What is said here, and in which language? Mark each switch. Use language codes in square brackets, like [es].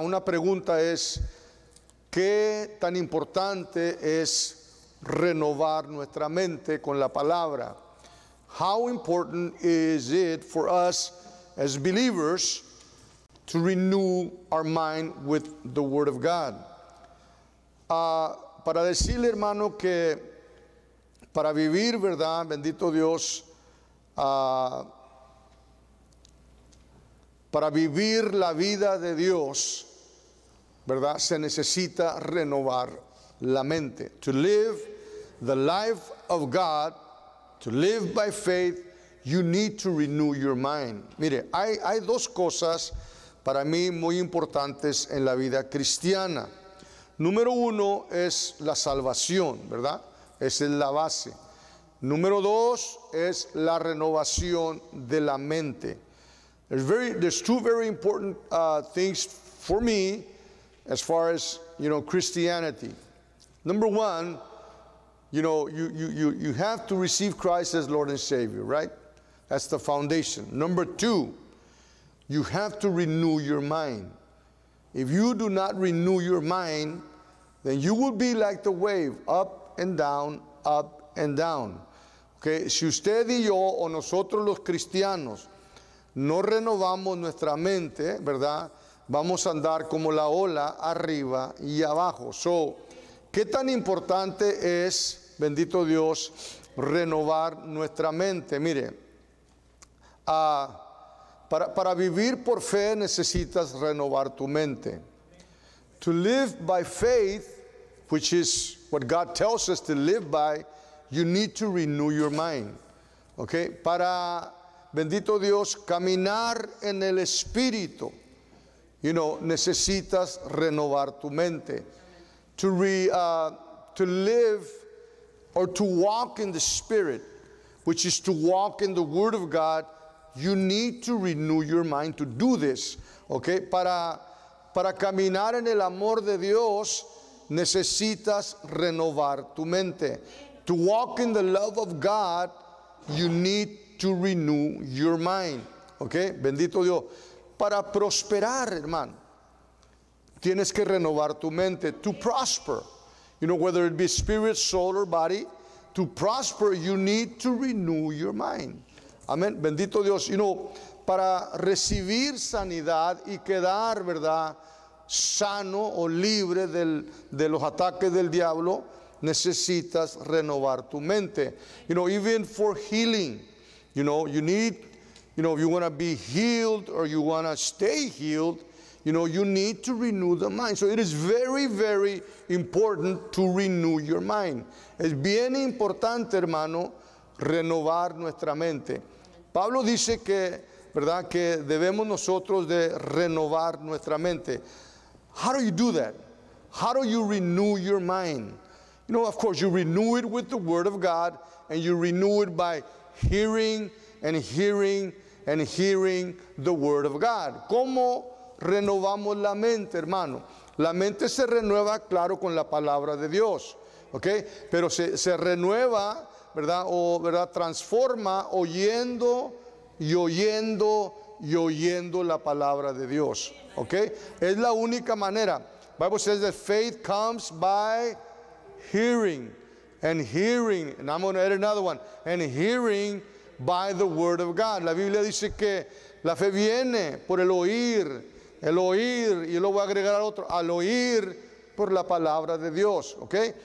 [es] Una pregunta es, ¿qué tan importante es renovar nuestra mente con la palabra? [en] How important is it for us as believers to renew our mind with the Word of God? [es] Para decirle, hermano, que para vivir, ¿verdad? Bendito Dios, para vivir la vida de Dios, ¿verdad? Se necesita renovar la mente. [en] To live the life of God, to live by faith, you need to renew your mind. [es] Mire, hay dos cosas para mí muy importantes en la vida cristiana. Número uno es la salvación, ¿verdad? Esa es la base. Número dos es la renovación de la mente. [en] There's two very important things for me as far as, you know, Christianity. Number one, you know, you have to receive Christ as Lord and Savior, right? That's the foundation. Number two, you have to renew your mind. If you do not renew your mind, then you will be like the wave, up and down, up and down. [es] Okay, si usted y yo, o nosotros los cristianos, no renovamos nuestra mente, ¿verdad? Vamos a andar como la ola, arriba y abajo. So, ¿qué tan importante es, bendito Dios, renovar nuestra mente? Mire, Para vivir por fe necesitas renovar tu mente. [en] To live by faith, which is what God tells us to live by, you need to renew your mind. [es] Okay? Para, bendito Dios, caminar en el Espíritu, you know, necesitas renovar tu mente. [en] To live or to walk in the Spirit, which is to walk in the Word of God, you need to renew your mind to do this. Okay? [es] Para caminar en el amor de Dios, necesitas renovar tu mente. [en] To walk in the love of God, you need to renew your mind. Okay? [es] Bendito Dios. Para prosperar, hermano, tienes que renovar tu mente. [en] To prosper, you know, whether it be spirit, soul, or body, to prosper, you need to renew your mind. [es] Amén. Bendito Dios. You know, para recibir sanidad y quedar, ¿verdad?, sano o libre de los ataques del diablo, necesitas renovar tu mente. [en] You know, even for healing, you know, you need, you know, if you want to be healed or you want to stay healed, you know, you need to renew the mind. So it is very, very important to renew your mind. [es] Es bien importante, hermano, renovar nuestra mente. Pablo dice que, ¿verdad?, que debemos nosotros de renovar nuestra mente. [en] How do you do that? How do you renew your mind? You know, of course, you renew it with the Word of God, and you renew it by hearing and hearing and hearing the Word of God. [es] ¿Cómo renovamos la mente, hermano? La mente se renueva, claro, con la palabra de Dios, ¿ok? Pero se renueva, ¿verdad? O, ¿verdad?, transforma oyendo y oyendo y oyendo la palabra de Dios, ¿ok? Es la única manera. [en] Bible says that faith comes by hearing, and hearing, and I'm going to add another one, and hearing by the Word of God. [es] La Biblia dice que la fe viene por el oír, y lo voy a agregar al otro, al oír por la palabra de Dios, ¿ok?